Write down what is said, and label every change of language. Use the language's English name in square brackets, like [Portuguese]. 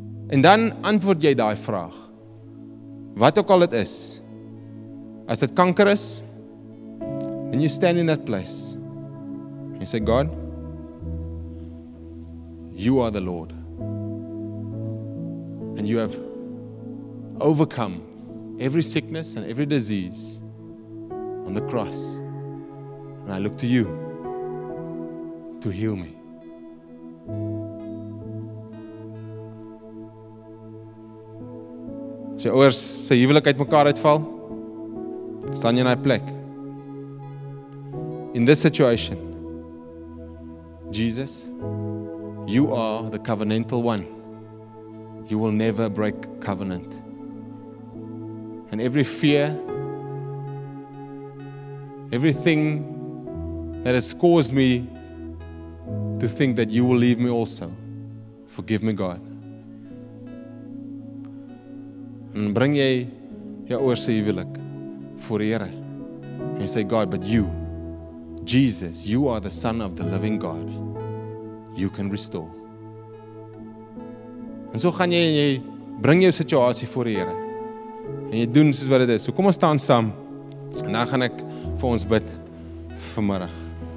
[Afrikaans] en dan antwoord jy die vraag, wat ook al het is, as dit kanker is, [English] and you stand in that place, and you say, God, you are the Lord, and you have overcome every sickness and every disease on the cross, and I look to you to heal me. [Afrikaans] As jou ouers sy huwelik uit mekaar uitval, staan jy in die plek. [English] In this situation, Jesus, you are the covenantal one. You will never break covenant. And every fear, everything that has caused me to think that you will leave me also, forgive me, God. [Afrikaans] En bring jy jou oor sy huwelik voor Here. [English] And you say, God, but you, Jesus, you are the Son of the living God. You can restore. [Afrikaans] En so gaan jy en jy bring jou situasie voor die Here. En jy doen soos wat dit is. So kom ons staan saam. En dan gaan ek vir ons bid vanmiddag.